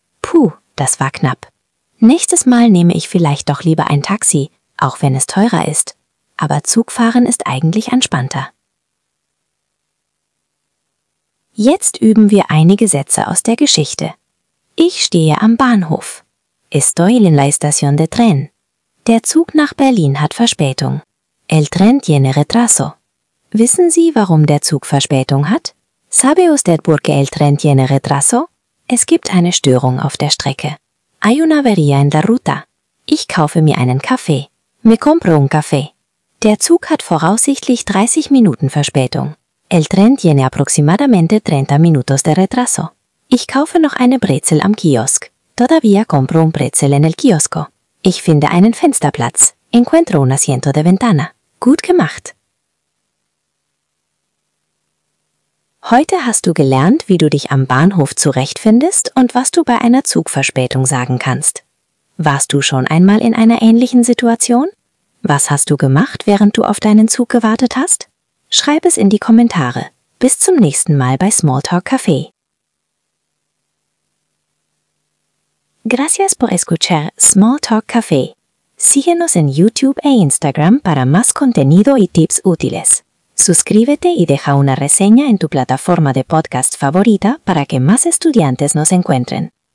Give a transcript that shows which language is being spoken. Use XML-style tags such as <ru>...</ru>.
<de>Puh, das war knapp. Nächstes Mal nehme ich vielleicht doch lieber ein Taxi, auch wenn es teurer ist. Aber Zugfahren ist eigentlich entspannter. Jetzt üben wir einige Sätze aus der Geschichte. Ich stehe am Bahnhof.</de> <es>Estoy en la estación de tren.</es> <de>Der Zug nach Berlin hat Verspätung.</de> <es>El tren tiene retraso.</es> <de>Wissen Sie, warum der Zug Verspätung hat?</de> <es>¿Sabe usted por qué el tren tiene retraso?</es> <de>Es gibt eine Störung auf der Strecke.</de> <es>Hay una avería en la ruta.</es> <de>Ich kaufe mir einen Kaffee.</de> <es>Me compro un café.</es> <de>Der Zug hat voraussichtlich 30 Minuten Verspätung.</de> <es>El tren tiene aproximadamente 30 minutos de retraso.</es> <de>Ich kaufe noch eine Brezel am Kiosk.</de> <es>Todavía compro un pretzel en el kiosco.</es> <de>Ich finde einen Fensterplatz.</de> <es>Encuentro un asiento de ventana.</es> <de>Gut gemacht! Heute hast du gelernt, wie du dich am Bahnhof zurechtfindest und was du bei einer Zugverspätung sagen kannst. Warst du schon einmal in einer ähnlichen Situation? Was hast du gemacht, während du auf deinen Zug gewartet hast? Schreib es in die Kommentare. Bis zum nächsten Mal bei Smalltalk Café.</de> <es>Gracias por escuchar Smalltalk Café. Síguenos en YouTube e Instagram para más contenido y tips útiles. Suscríbete y deja una reseña en tu plataforma de podcast favorita para que más estudiantes nos encuentren.</es>